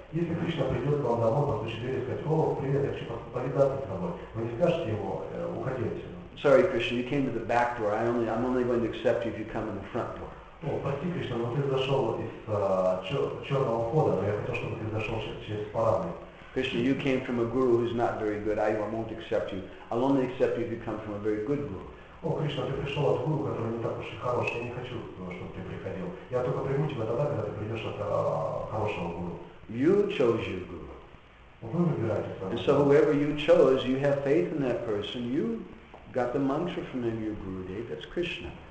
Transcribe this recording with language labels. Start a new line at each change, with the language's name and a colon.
English: Sorry, Krishna, you came to the back door. I'm only going to accept you if you come in the front door. Krishna, you came from a guru who's not very good. I won't accept you. I'll only accept you if you come from a very good guru.
Russian: О, Кришна, ты пришел от гуру, который не так уж и хороший, я не хочу, чтобы ты приходил. Я только приму тебя тогда, когда ты придешь от хорошего гуру.
English: You chose your guru. Well, and so whoever you chose, you have faith in that person, you got the mantra from him, your Gurudev, that's Krishna.